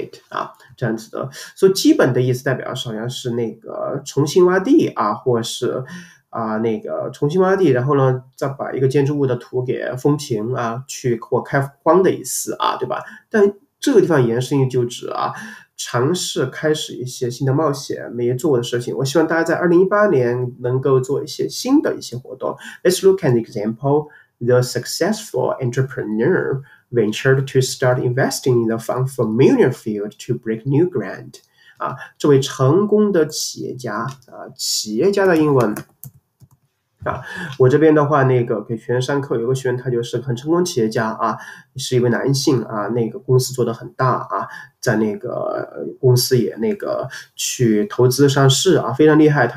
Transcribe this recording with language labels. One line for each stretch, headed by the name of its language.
Chinese: 啊，这样子的，所以基本的意思代表是好像是那个重新挖地啊，或是啊那个重新挖地，然后呢再把一个建筑物的土给封平啊，去或开荒的意思啊，对吧？但这个地方延伸就指啊，尝试开始一些新的冒险，没做过的事情。我希望大家在2018年能够做一些新的一些活动。
English: Let's look at an example. The successful entrepreneur ventured to start investing in the unfamiliar field to break new ground。
Chinese: 啊，这位成功的企业家啊，企业家的英文啊，我这边的话，那个给学员上课，有个学员他就是很成功企业家啊，是一位男性啊，那个公司做得很大啊，在那个公司也那个去投资上市啊，非常厉害。